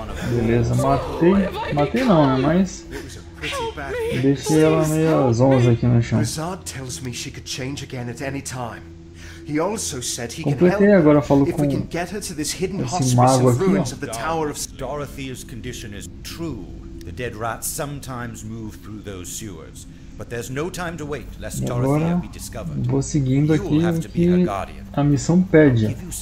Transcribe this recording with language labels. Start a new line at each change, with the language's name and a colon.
Portuguese: Beleza, matei não, né? Mas deixei ela meio zonza aqui no chão.
English: Rizard tells me she could change again at any time. He also said he can help.
Portuguese: Agora falo com esse mago aqui, ó.
English: Dorothea's condition is true. The dead rats sometimes move through those sewers, but there's no time to wait lest Dorothea be discovered.
Portuguese: Vou seguindo aqui que a missão pede.